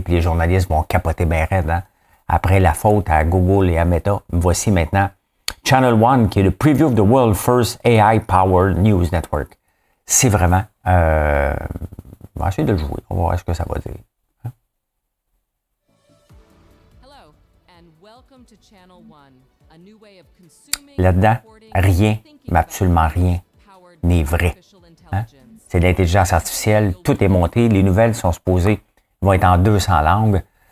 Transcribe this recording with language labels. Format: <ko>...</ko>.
<fr>Puis les journalistes vont capoter bien raide. Hein. Après la faute à Google et à Meta, voici maintenant Channel One, qui est le</fr> <en>preview of the world first AI-powered news network.</en> <fr>C'est vraiment. On va essayer de le jouer. On va voir ce que ça va dire.</fr> <en>Hello and welcome to Channel One, a new way of consuming.</en> <fr>Là-dedans, rien, mais absolument rien, n'est vrai. Hein? C'est de l'intelligence artificielle. Tout est monté. Les nouvelles sont supposées vont être en 200 langues.</fr>